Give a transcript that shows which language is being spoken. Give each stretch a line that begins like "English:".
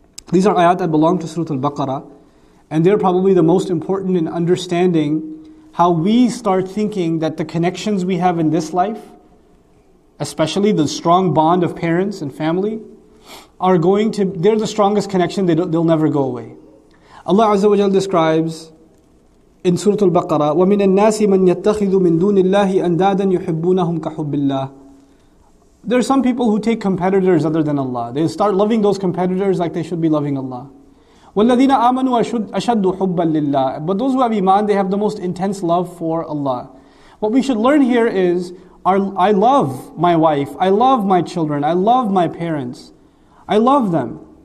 English: These are ayat that belong to Surah Al-Baqarah, and they're probably the most important in understanding how we start thinking that the connections we have in this life, especially the strong bond of parents and family, are going to, they're the strongest connection, they'll never go away. Allah Azza wa Jalla describes in Surah Al-Baqarah,
Arabic: وَمِنَ النَّاسِ مَنْ يَتَّخِذُ مِنْ دُونِ اللَّهِ أَنْدَادًا يُحِبُّونَهُمْ كَحُبِّ اللَّهِ.
English: There are some people who take competitors other than Allah. They start loving those competitors like they should be loving Allah.
Arabic: وَالَّذِينَ آمَنُوا أَشَدُّ حُبًّا لِلَّهِ.
English: But those who have iman, they have the most intense love for Allah. What we should learn here is, I love my wife, I love my children, I love my parents. I love them.